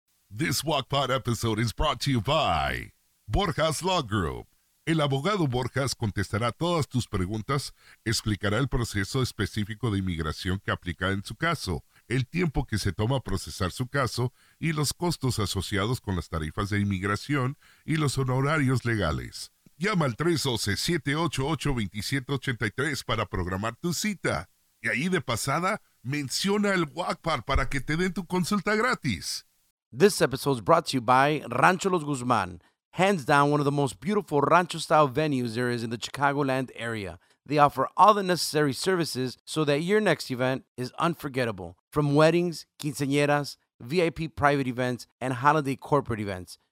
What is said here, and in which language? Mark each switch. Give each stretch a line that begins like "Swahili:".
English: This Guac Pod episode is brought to you by Borjas Law Group.
Spanish: El abogado Borjas contestará todas tus preguntas, explicará el proceso específico de inmigración que aplica en su caso, el tiempo que se toma procesar su caso y los costos asociados con las tarifas de inmigración y los honorarios legales. Llama al 312-788-2783 para programar tu cita. Y ahí de pasada, menciona el Guac Pod para que te den tu consulta gratis.
English: This episode is brought to you by Rancho Los Guzmán. Hands down, one of the most beautiful rancho-style venues there is in the Chicagoland area. They offer all the necessary services so that your next event is unforgettable. From weddings, quinceañeras, VIP private events, and holiday corporate events.